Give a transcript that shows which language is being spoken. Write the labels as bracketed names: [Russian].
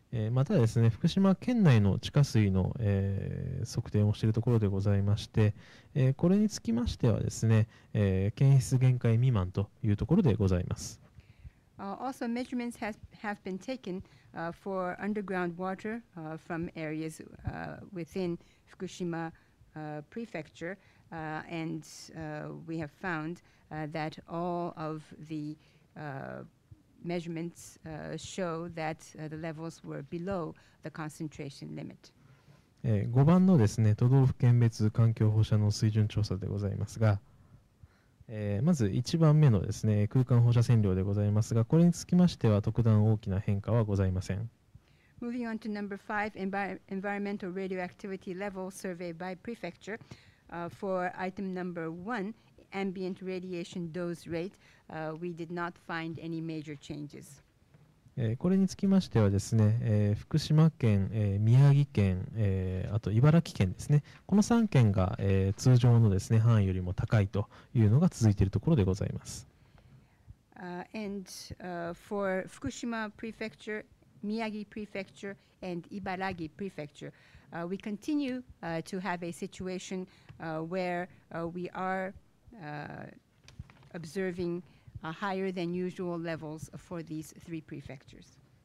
[Japanese] またですね、福島県内の地下水の、測定をしているところでございまして、これにつきましてはですね、検出限界未満というところでございます。 [English] Also, measurements have been taken for underground water from areas within Fukushima Prefecture, and we have found that all of the measurements show that the levels were below the concentration limit. [Japanese] 5番のですね、都道府県別環境放射能水準調査でございますが、まず1番目のですね、空間放射線量でございますが、これにつきましては特段大きな変化はございません。 [English] Moving on to number 5, environmental radioactivity level survey by prefecture. For item number 1, ambient radiation dose rate, we did not find any major changes. [Japanese] これにつきましてはですね、福島県、宮城県、あと茨城県ですね、この3県が、通常のですね、範囲よりも高いというのが続いているところでございます。 [English] And for Fukushima Prefecture, Miyagi Prefecture, and Ibaraki Prefecture, we continue to have a situation where we are observing. Higher than usual levels for these three prefectures.